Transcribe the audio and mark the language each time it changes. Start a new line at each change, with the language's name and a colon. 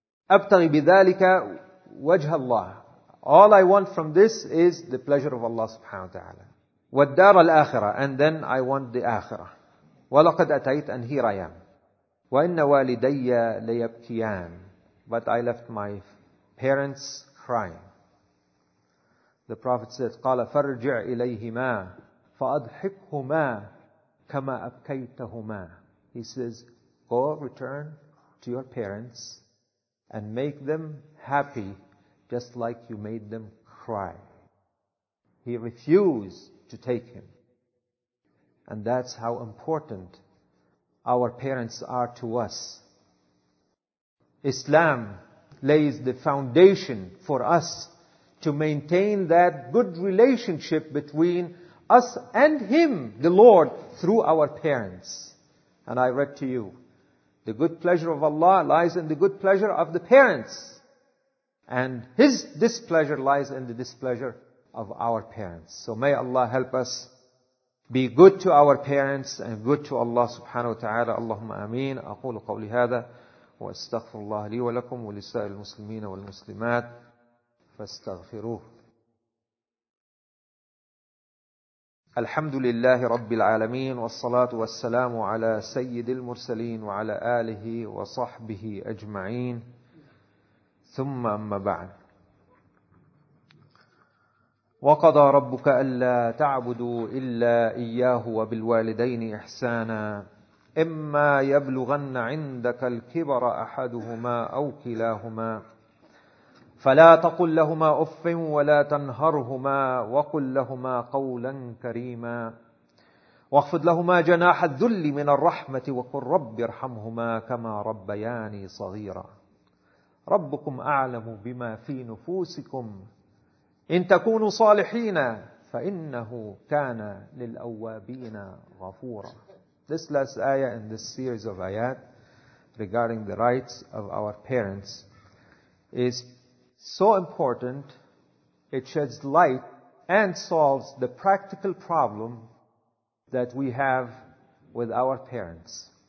Arabic: Abtaghi bidhalika wajha Allah.
English: All I want from this is the pleasure of Allah subhanahu wa ta'ala.
Arabic: Waddar al-akhirah,
English: and then I want the akhirah.
Arabic: Walaqad atayt,
English: and here I am.
Arabic: Wa inna walidayya layabkiyan.
English: But I left my parents crying. The Prophet said,
Arabic: قَالَ فَرْجِعْ إِلَيْهِمَا فَأَضْحِكْهُمَا كَمَا أَبْكَيْتَهُمَا.
English: He says, go return to your parents and make them happy just like you made them cry. He refused to take him. And that's how important our parents are to us. Islam lays the foundation for us to maintain that good relationship between us and Him, the Lord, through our parents. And I read to you, the good pleasure of Allah lies in the good pleasure of the parents. And His displeasure lies in the displeasure of our parents. So may Allah help us be good to our parents and good to Allah subhanahu wa ta'ala.
Arabic: Allahumma ameen. Aqulu qawli hadha. واستغفر الله لي ولكم ولسائر المسلمين والمسلمات فاستغفروه. الحمد لله رب العالمين والصلاة والسلام على سيد المرسلين وعلى آله وصحبه أجمعين. ثم أما بعد, وقضى ربك ألا تعبدوا إلا إياه وبالوالدين إحسانا إما يبلغن عندك الكبر أحدهما أو كلاهما فلا تقل لهما أف ولا تنهرهما وقل لهما قولا كريما واخفض لهما جناح الذل من الرحمة وقل رب ارحمهما كما ربياني صغيرا. ربكم أعلم بما في نفوسكم إن تكونوا صالحين فإنه كان للأوابين غفورا.
English: This last ayah in this series of ayat regarding the rights of our parents is so important, it sheds light and solves the practical problem that we have with our parents.